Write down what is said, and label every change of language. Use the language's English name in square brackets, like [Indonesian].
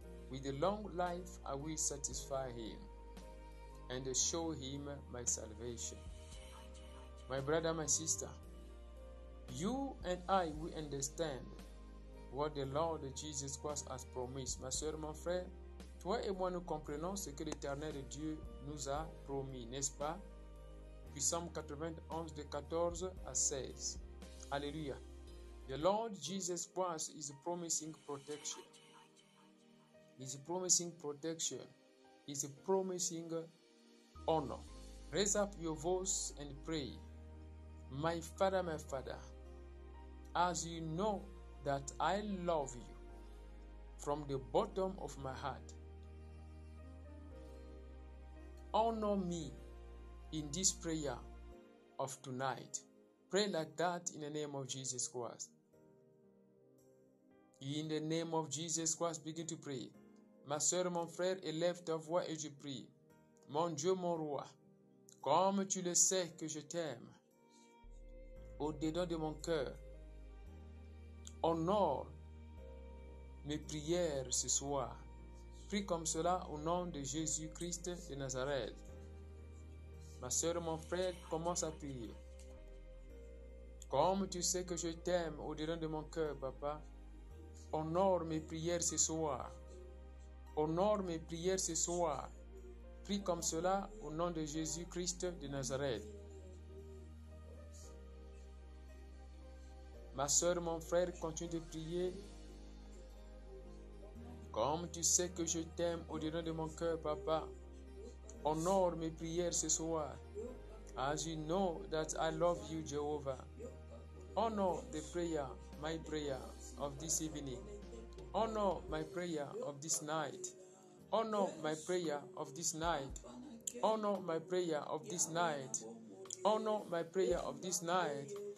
[English] With a long life, I will satisfy him and show him my salvation. My brother, my sister, you and I, we understand what the Lord Jesus Christ has promised. [French] Ma soeur, mon frère, toi et moi, nous comprenons ce que l'Éternel Dieu nous a promis, n'est-ce pas? Psaume 91, de 14 à 16. Alléluia. [English] The Lord Jesus Christ is promising protection. He's promising protection. He's promising honor. Raise up your voice and pray. My Father, as you know, that I love you from the bottom of my heart. Honor me in this prayer of tonight. Pray like that in the name of Jesus Christ. In the name of Jesus Christ, begin to pray. [French] Ma soeur, mon frère, élève ta voix et je prie. Mon Dieu, mon roi, comme tu le sais que je t'aime, au-dedans de mon cœur, honore mes prières ce soir. Prie comme cela au nom de Jésus-Christ de Nazareth. Ma soeur, mon frère, commence à prier. Comme tu sais que je t'aime au-dedans de mon cœur, papa, honore mes prières ce soir. Honore mes prières ce soir. Prie comme cela au nom de Jésus-Christ de Nazareth. Ma soeur, mon frère, continue de prier. Comme tu sais que je t'aime au-dedans de mon cœur, Papa, honore mes prières ce soir. [English] As you know that I love you, Jehovah. Honor the prayer, my prayer of this evening. Honor my prayer of this night. Honor my prayer of this night. Honor my prayer of this night. Honor my prayer of this night.